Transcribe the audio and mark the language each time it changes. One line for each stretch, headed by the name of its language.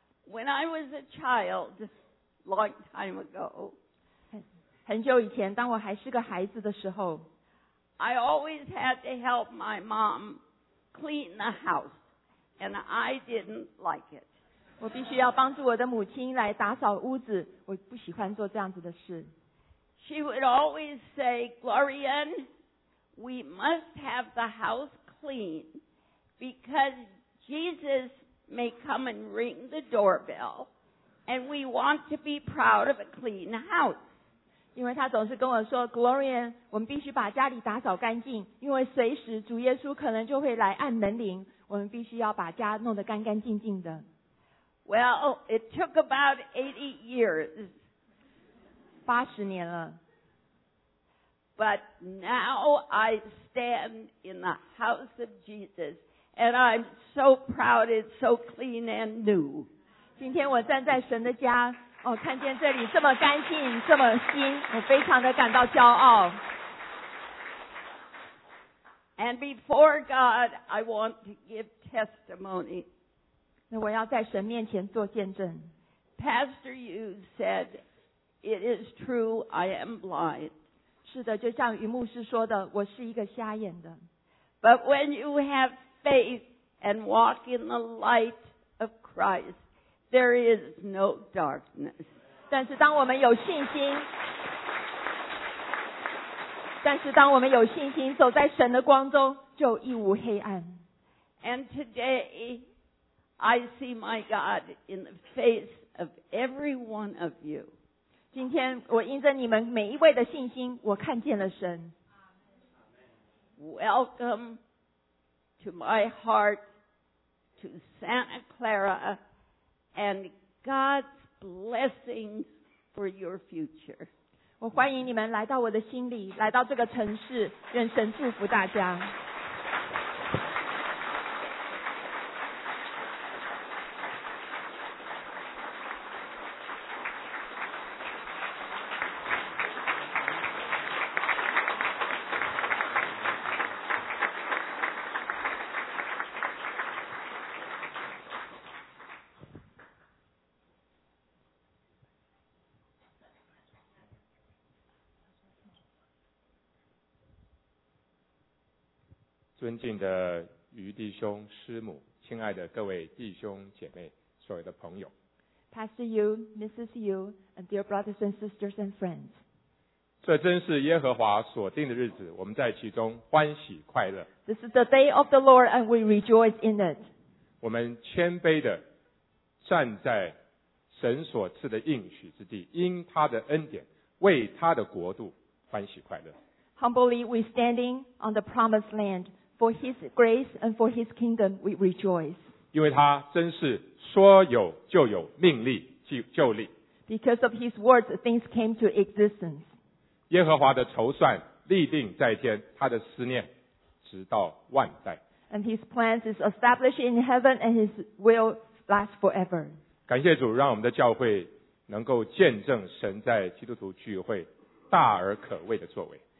English: When I was a child, long time ago,
Chinese: 很久以前，当我还是个孩子的时候，
English: I always had to help my mom clean the house, and I didn't like it.
Chinese: 我必须要帮助我的母亲来打扫屋子，我不喜欢做这样子的事。
English: She would always say, Gloria, we must have the house clean because Jesus may come and ring the doorbell, and we want to be proud of a clean house.
Chinese: 因为他总是跟我说 ，Gloria， 我们必须把家里打扫干净，因为随时主耶稣可能就会来按门铃，我们必须要把家弄得干干净净的。
English: Well, it took about 80 years.
Chinese: 80年了。
English: But now I stand in the house of Jesus. And I'm so proud it's so clean and new.
Chinese: 今天我站在神的家，哦，看见这里这么干净，这么新，我非常的感到骄傲。
English: And before God, I want to give testimony.
Chinese: 那我要在神面前做见证。
English: Pastor Yu said, it is true, I am blind.
Chinese: 是的，就像于牧师说的，我是一个瞎眼的。
English: But when you have faith and walk in the light of Christ, there is no darkness.
Chinese: 但是当我们有信心，但是当我们有信心走在神的光中，就义无黑暗。
English: And today, I see my God in the face of every one of you.
Chinese: 今天我因着你们每一位的信心，我看见了神。
English: Welcome to my heart, to Santa Clara, and God's blessings for your future.
Chinese: 我欢迎你们来到我的心里，来到这个城市，愿神祝福大家。尊敬的余弟兄师母，亲爱的各位弟兄姐妹，所有的朋友
English: ，Pastor Yu, Mrs. Yu, and dear brothers and sisters and friends，
Chinese: 这真是耶和华所定的日子，我们在其中欢喜快乐。
English: This is the day of the Lord, and we rejoice in it。
Chinese: 我们谦卑的站在神所赐的应许之地，因他的恩典，为他的国度欢喜快乐。
English: Humbly we standing on the promised land. For His grace and for His kingdom we rejoice.
Chinese: 因为他真是说有就有，命立就立。
English: Because of His words, things came to existence.
Chinese: 耶和华的筹算立定在天，他的思念直到万代。
English: And His plans is established in heaven and His will lasts forever.
Chinese: 感谢主，让我们的教会能够见证神在基督徒聚会大而可畏的作为。